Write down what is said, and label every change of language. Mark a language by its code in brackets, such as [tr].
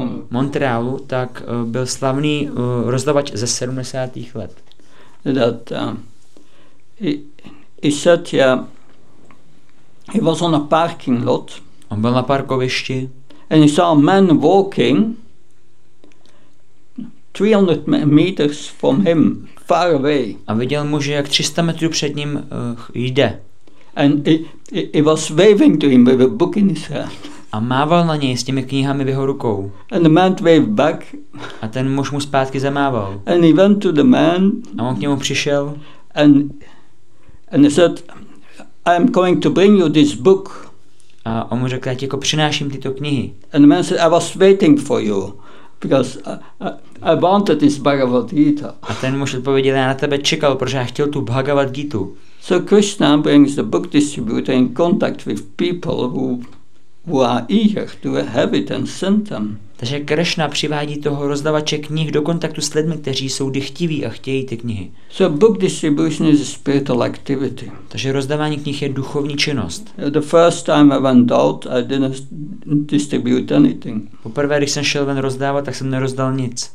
[cs] Montrealu, tak byl slavný rozdavač ze 70. let. [en] That he said, yeah, he was on a parking lot. [cs] On byl na parkovišti. [en] And he saw a man walking 300 meters from him, far away. [cs] A viděl muže, jak 300 metrů před ním jde. [en] And he was waving to him with a book in his hand. [cs] A mával na něj s těmi knihami v jeho rukou. [en] And the man waved back. [cs] A ten muž mu zpátky zamával. [en] And he went to the man. [cs] A on k němu přišel. [en] And he said, I am going to bring you this book. [cs] A on mu řekl, já ti jako přináším tyto knihy. [en] And the man said, I was waiting for you. Because I wanted this Bhagavad Gita. [cs] A ten muž odpověděl, já na tebe čekal, protože já chtěl tu Bhagavad Gita. [en] So Krishna brings the book distributor in contact with people who... Who are eager to have it and send them. [cs] Takže Krishna přivádí toho rozdavače knih do kontaktu s lidmi, kteří jsou dychtiví a chtějí ty knihy. [en] So book distribution is a spiritual activity. [cs] Takže rozdávání knih je duchovní činnost. [en] The first time I went out, I didn't distribute anything. [cs] Poprvé, když jsem šel ven rozdávat, tak jsem nerozdal nic.